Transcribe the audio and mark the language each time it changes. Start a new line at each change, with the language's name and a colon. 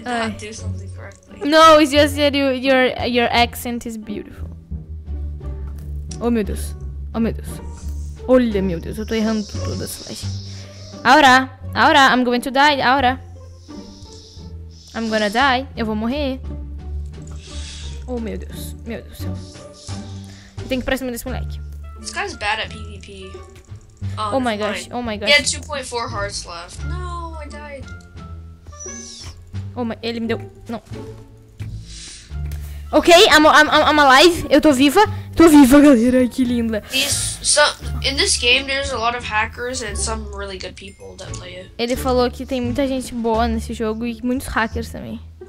English: I'm feeling I did not do something correctly. No, it's just that your accent is beautiful.
Portuguese: Oh meu Deus. Oh meu Deus. Olha meu Deus, eu tô errando tudo as flechas.
English: Aura! Aura, I'm going to die, Aura. I'm gonna die.
Portuguese: Eu vou morrer. Oh, meu Deus. Meu Deus do céu. Tem que ir pra cima desse moleque.
English: This guy's bad at PvP. Oh my gosh. Oh my gosh. He had 2.4 hearts left. No, I died.
Portuguese: Oh my... Ele me deu... Não.
English: Ok, I'm alive.
Portuguese: Eu tô viva. Tô viva, galera. Que linda.
English: In this game, there's a lot of hackers and some really good people that play it.
Portuguese: Ele falou que tem muita gente boa nesse jogo e muitos hackers também.